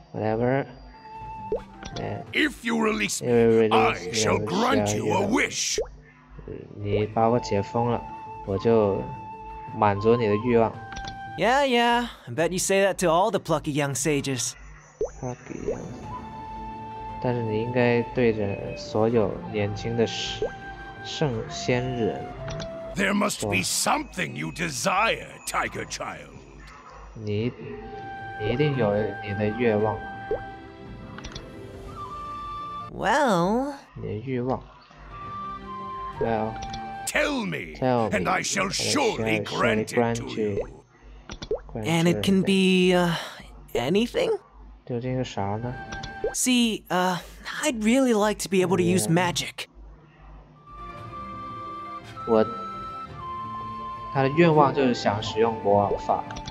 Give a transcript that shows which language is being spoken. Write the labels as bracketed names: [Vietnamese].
[English] Whatever. If you release me, I shall grant you a wish. [Chinese] 你把我解封了，我就满足你的欲望。 [English] Yeah. I bet you say that to all the plucky young sages. Plucky young. [Chinese] 但是你应该对着所有年轻的圣仙人 [English] ，There must be something you desire, Tiger Child. [Chinese] 你一定有你的愿望。 [English] Well, [Chinese] 你的欲望。Well, [English] Tell me, tell me, and I shall surely grant it to you. And it can be, anything? [Chinese] 究竟是啥呢? [English] See, I'd really like to be able to use magic. [Chinese] 我他的愿望就是想使用魔法。